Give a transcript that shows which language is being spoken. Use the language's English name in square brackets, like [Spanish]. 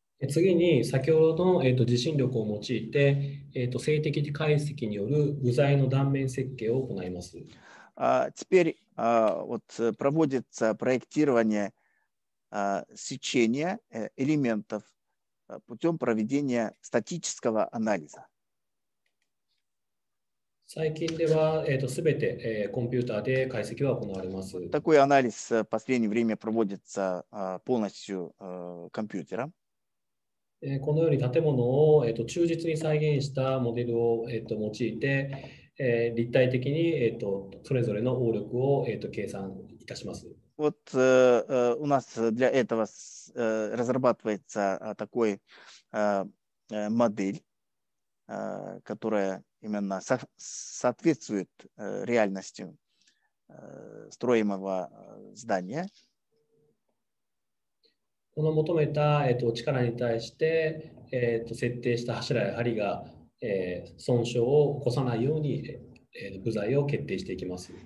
[Japanese] 次に先ほどの、地震力を用いて、静的解析による部材の断面設計を行います。 [Russian] Теперь вот проводится проектирование сечения элементов путем проведения статического анализа. [Japanese] 最近では、全て、コンピューターで解析は行われます。 [Russian] Такой анализ в последнее время проводится полностью компьютером. [Japanese] このように建物を、忠実に再現したモデルを、用いて、立体的に、それぞれの応力を、計算いたします。 [Russian] Вот у нас для этого разрабатывается такой модель, которая именно соответствует реальности строимого здания. [Japanese] この求めた、力に対して、設定した柱や梁が、損傷を起こさないように、部材を決定していきます。